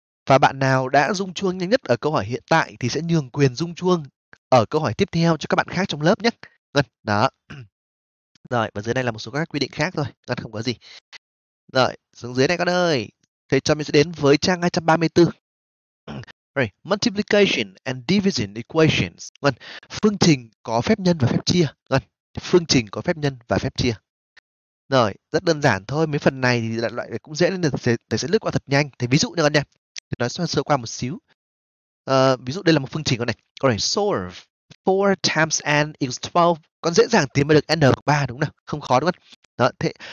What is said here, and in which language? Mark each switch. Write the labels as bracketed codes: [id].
[vi] Và bạn nào đã rung chuông nhanh nhất ở câu hỏi hiện tại thì sẽ nhường quyền rung chuông ở câu hỏi tiếp theo cho các bạn khác trong lớp nhé. Ngân. Đó. Rồi, và dưới đây là một số các quy định khác thôi. Ngân không có gì. Rồi, xuống dưới này con ơi. Thầy cho mình sẽ đến với trang 234. [en] Right. Multiplication and division equations. [vi] Ngân. Phương trình có phép nhân và phép chia. Ngân. Phương trình có phép nhân và phép chia. Rồi, rất đơn giản thôi, mấy phần này thì đại loại này cũng dễ nên thầy sẽ lướt qua thật nhanh. Thầy ví dụ cho con nha, thầy nói sơ qua một xíu. Ví dụ đây là một phương trình con này. Con này, [en] solve 4 times n is 12. [vi] Con dễ dàng tìm được n bằng 3, đúng không? Không khó đúng không? Đó, thế.